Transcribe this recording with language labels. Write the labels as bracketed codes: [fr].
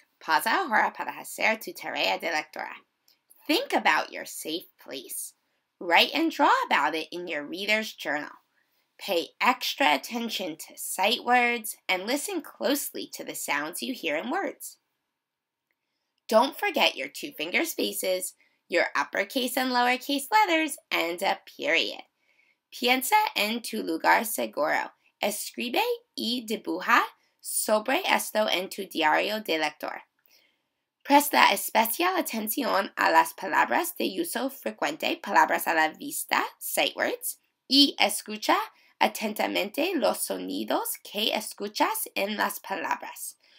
[es] Pausa ahora para hacer tu tarea de lectura. [en] Think about your safe place. Write and draw about it in your reader's journal. Pay extra attention to sight words and listen closely to the sounds you hear in words. Don't forget your two-finger spaces, your uppercase and lowercase letters, and a period. [es] Piensa en tu lugar seguro. Escribe y dibuja sobre esto en tu diario de lector. Presta especial atención a las palabras de uso frecuente, palabras a la vista, sight words, y escucha atentamente los sonidos que escuchas en las palabras.